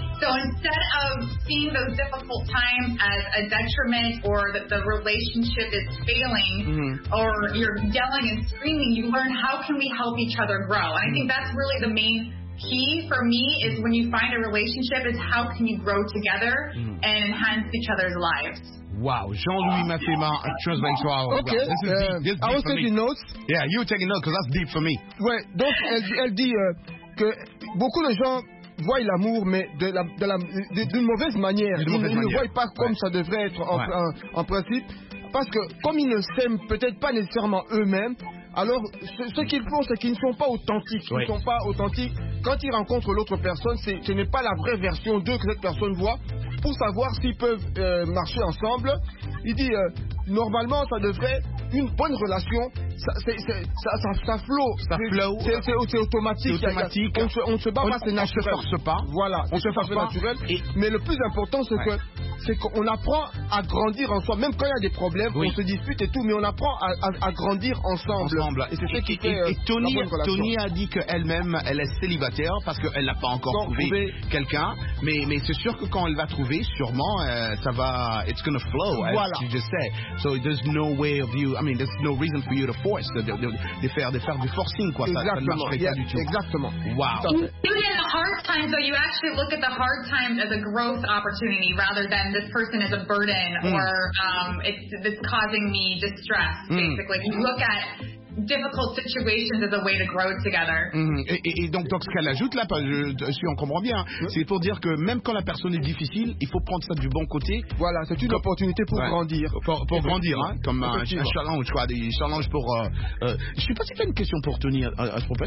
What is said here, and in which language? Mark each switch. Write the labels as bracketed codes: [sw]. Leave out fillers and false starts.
[en] So instead of seeing those difficult times as a detriment or that the relationship is failing or you're yelling and screaming, you learn how can we help each other grow. And I think that's really the main key for me is when you find a relationship is how can you grow together and enhance each other's lives. Wow, Jean-Louis Massima, translate to our... Okay, this is deep. This I was taking notes. Yeah, you were taking notes because that's deep for me. [fr] Ouais, donc elle dit que beaucoup de gens voient l'amour, mais d'une mauvaise manière. Ils ne voient pas comme ça devrait être en principe. Parce que comme ils ne s'aiment peut-être pas nécessairement eux-mêmes, alors ce qu'ils font, c'est qu'ils ne sont pas authentiques. Ils ne sont pas authentiques. Quand ils rencontrent l'autre personne, ce n'est pas la vraie version d'eux que cette personne voit. Pour savoir s'ils peuvent marcher ensemble, il dit normalement ça devrait une bonne relation, ça flow, c'est automatique, on ne se force pas, voilà, on se force pas naturel. Mais le plus important c'est c'est qu'on apprend à grandir en soi, même quand il y a des problèmes, on se dispute et tout, mais on apprend à grandir ensemble. Et c'est ce qui fait Tony a dit qu'elle-même, elle est célibataire parce qu'elle n'a pas encore trouvé quelqu'un. Mais c'est sûr que quand elle va trouver, sûrement, ça va... [en] It's going to flow, [fr] voilà. [en] As you just said. So there's no way of you... I mean, there's no reason for you to force, [fr] de faire du forcing, quoi. Exactement. Ça ne marcherait pas du tout. Exactement. Wow. [en] You get the hard times, so you actually look at the hard times as a growth opportunity rather than and this person is a burden or it's causing me distress, basically. You look at difficult situations as a way to grow together. [fr] Et donc ce qu'elle ajoute là, si on comprend bien, c'est pour dire que même quand la personne est difficile, il faut prendre ça du bon côté. Voilà, c'est une opportunité pour grandir. Pour grandir, comme un challenge, quoi. Des challenges pour... je ne sais pas si tu as une question pour Tony à ce propos.